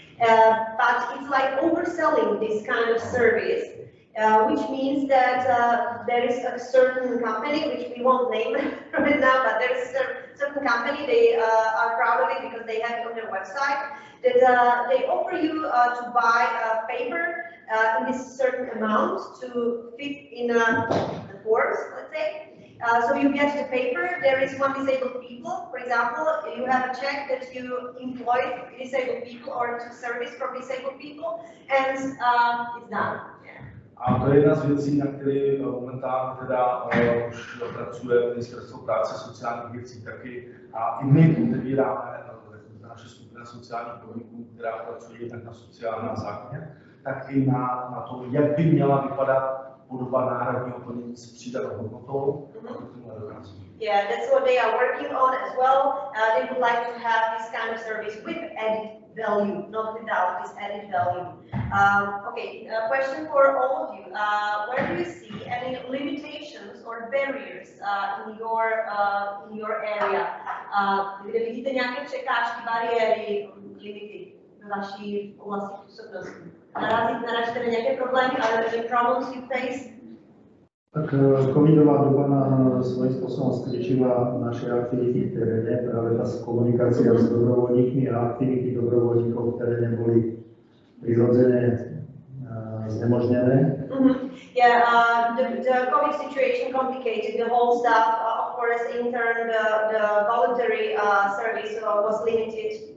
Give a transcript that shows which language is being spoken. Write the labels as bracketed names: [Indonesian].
[English] But it's like overselling this kind of service, which means that there is a certain company which we won't name right now, but there's a certain company, they are proud of it because they have it on their website, that they offer you to buy a paper in this certain amount to fit in the forms, let's say. So you get the paper, there is one disabled people, for example, you have a check that you employ disabled people or to service from disabled people, and it's done. [Czech] A to je jedna z věcí, na které momentálně teda už pracuje Ministerstvo práce a sociálních věcí taky. A i my otevíráme naše skupina sociálních podniků, která pracuje jednak na sociálním zákoně, tak i na to, jak by měla vypadat podoba náhradního plnění s přidanou hodnotou. [English] Yeah, that's what they are working on as well. They would like to have this kind of service with added value, not without this added value. Okay, a question for all of you. Where do you see any limitations or barriers in your area? [Czech] Kde vidíte nějaké překážky, bariéry, limity v vaší oblasti působnosti? Narazíte na nějaké problémy, ale nějaké [English] problems you face? [Czech] Tak covidová doba svojím způsobem zvětšila naše aktivity v teréně, právě ta komunikace s dobrovolníkmi a aktivity dobrovolníkov v teréně byly přirozeně znemožněné. [English] The covid situation complicated the whole stuff, of course in turn the voluntary service was limited.